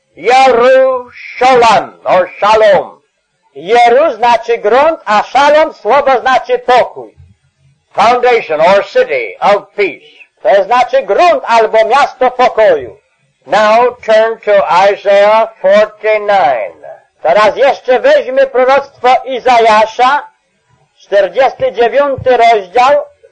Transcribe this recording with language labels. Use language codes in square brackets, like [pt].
[en] Jerusalem, or shalom. [pl] Jeru znaczy grunt, a shalom słowo znaczy pokój. [en] Foundation or city of peace. [pl] To znaczy grunt albo miasto pokoju. [en] Now turn to Isaiah 49. [pl] Teraz jeszcze weźmy proroctwo Izajasza, 49 rozdział.